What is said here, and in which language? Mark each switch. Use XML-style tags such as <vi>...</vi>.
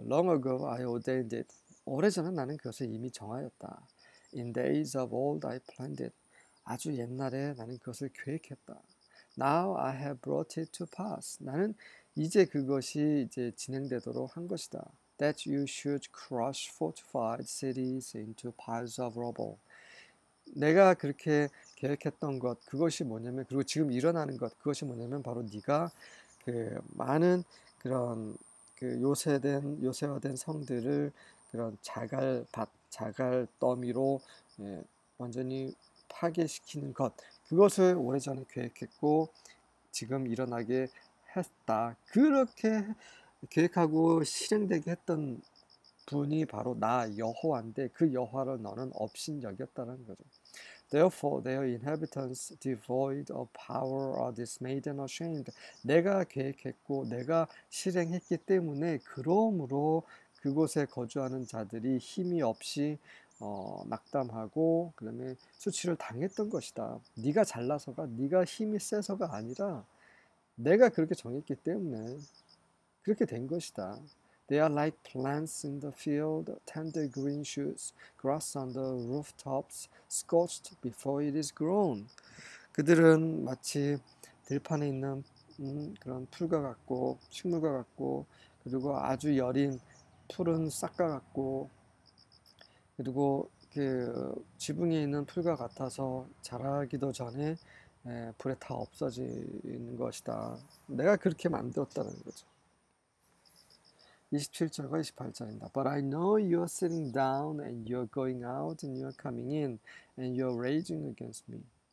<en>Long ago I ordained it.</en> <ko>오래전에 나는 그것을 이미 정하였다.</ko> <en>In days of old, I planned it.</en> <ko>아주 옛날에 나는 그것을 계획했다.</ko> <en>Now I have brought it to pass.</en> <ko>나는 이제 그것이 이제 진행되도록 한 것이다.</ko> <en>That you should crush fortified cities into piles of rubble.</en> <ko>내가 그렇게 계획했던 것, 그것이 뭐냐면, 그리고 지금 일어나는 것, 그것이 뭐냐면 바로 네가 그 많은 그런 그 요새화된 성들을 그런 자갈 더미로 완전히 파괴시키는 것, 그것을 오래전에 계획했고 지금 일어나게 했다. 그렇게 계획하고 실행되게 했던 분이 바로 나 여호와인데 그 여호와를 너는 업신여겼다는 거죠.</ko> <en>Therefore, their inhabitants, devoid of power, are dismayed and ashamed.</en> <ko>내가 계획했고 내가 실행했기 때문에 그러므로 그곳에 거주하는 자들이 힘이 없이 낙담하고 그다음에 수치를 당했던 것이다. 네가 잘나서가 네가 힘이 세서가 아니라 내가 그렇게 정했기 때문에 그렇게 된 것이다.</ko> <en>They are like plants in the field, tender green shoots, grass on the rooftops, scorched before it is grown.</en> <ko>그들은 마치 들판에 있는 그런 풀과 같고 식물과 같고 그리고 아주 여린 풀은 싹과 같고 그리고 그 지붕에 있는 풀과 같아서 자라기도 전에 불에 타 없어지는 것이다. 내가 그렇게 만들었다는 거죠. 27절과 28절입니다.</ko> <en>But I know you are sitting down and you are going out and you are coming in and you are raging against me.</en>